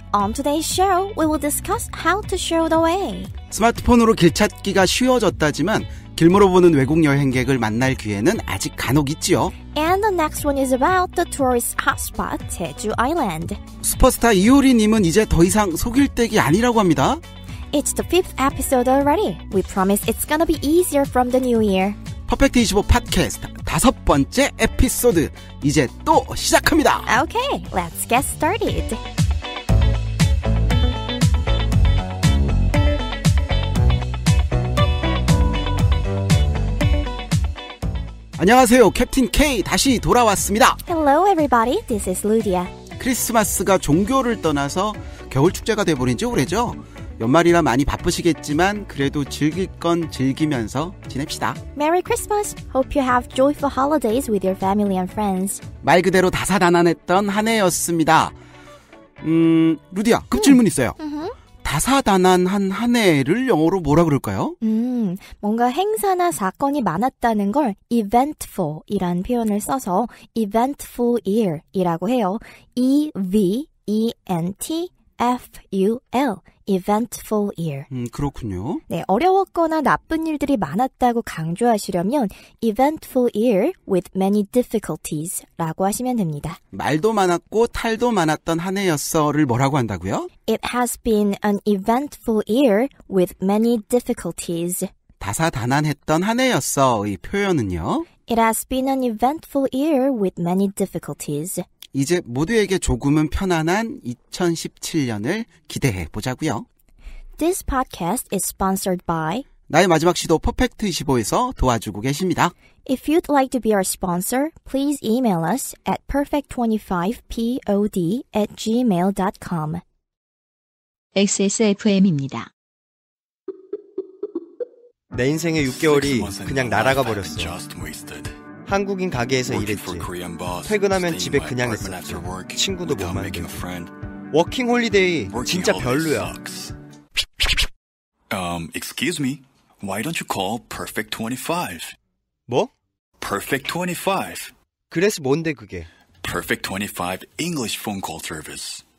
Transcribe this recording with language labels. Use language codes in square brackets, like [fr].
[en] On today's show, we will discuss how to show the way. [ko] 스마트폰으로 길 찾기가 쉬워졌다지만 길물어 보는 외국 여행객을 만날 기회는 아직 간혹 있지요. [en] And the next one is about the tourist hotspot, Jeju Island. [ko] 슈퍼스타 이효리님은 이제 더 이상 소길댁이 아니라고 합니다. [en] It's the fifth episode already. We promise it's gonna be easier from the new year. [ko] Perfect 25 podcast, 다섯 번째 에피소드, 이제 또 시작합니다. [en] Okay, let's get started. Hello, [ko] Captain K 다시 돌아왔습니다. [en] Hello, everybody. This is Ludia. [ko] 크리스마스가 종교를 떠나서 겨울 축제가 돼버린 지 오래죠. 연말이라 많이 바쁘시겠지만 그래도 즐길 건 즐기면서 지냅시다. [en] Merry Christmas. Hope you have joyful holidays with your family and friends. [ko] 말 그대로 다사다난했던 한 해였습니다. 루디야, 급질문 있어요. 다사다난한 한 해를 영어로 뭐라 그럴까요? 뭔가 행사나 사건이 많았다는 걸 eventful이란 표현을 써서 eventful year이라고 해요. [en] E-V-E-N-T-F-U-L. Eventful year. [ko] 그렇군요. 네, 어려웠거나 나쁜 일들이 많았다고 강조하시려면 [en] eventful year with many difficulties [ko] 라고 하시면 됩니다. 말도 많았고 탈도 많았던 한 해였어를 뭐라고 한다고요? [en] It has been an eventful year with many difficulties. [ko] 다사다난했던 한 해였어의 표현은요? [en] It has been an eventful year with many difficulties. [ko] 이제 모두에게 조금은 편안한 2017년을 기대해 보자고요. [en] This podcast is sponsored by [ko] 나의 마지막 시도 퍼펙트25에서 도와주고 계십니다. [en] If you'd like to be our sponsor, please email us at perfect25pod@gmail.com. [ko] XSFM입니다. 내 인생의 6개월이 그냥 날아가 버렸어. 한국인 가게에서 일했지. 퇴근하면 집에 그냥 있었어. 친구도 못 만들고. 워킹 홀리데이 진짜 별로야. [en] Excuse me. Why don't you call Perfect 25? [ko] 뭐? [en] Perfect 25. [ko] 그래서 뭔데 그게? [en] Perfect 25 English phone call service.